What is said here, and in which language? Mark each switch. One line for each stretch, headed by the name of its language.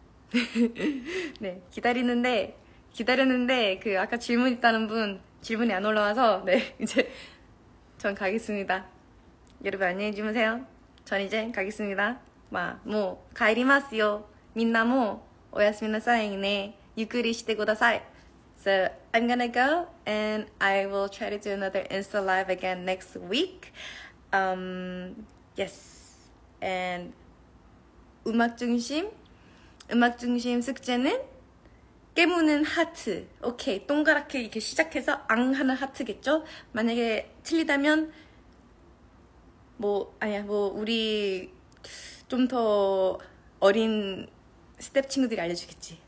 Korean: 굿나잇. 네, 기다렸는데 그 아까 질문 있다는 분 질문이 안 올라와서 네 이제 전 가겠습니다. 여러분 안녕히 주무세요. 전 이제 가겠습니다. 뭐
Japanese: 가이리마스요. 민나모 오야스미나사잉네 유쿠리시테고다사이.
English: So I'm gonna go and I will try to do another Insta live again next week. Yes.
Korean: And 음악 중심 숙제는 깨무는 하트. 오케이. 동그랗게 이렇게 시작해서 앙 하는 하트겠죠? 만약에 틀리다면 뭐 우리 좀 더 어린 스텝 친구들이 알려주겠지.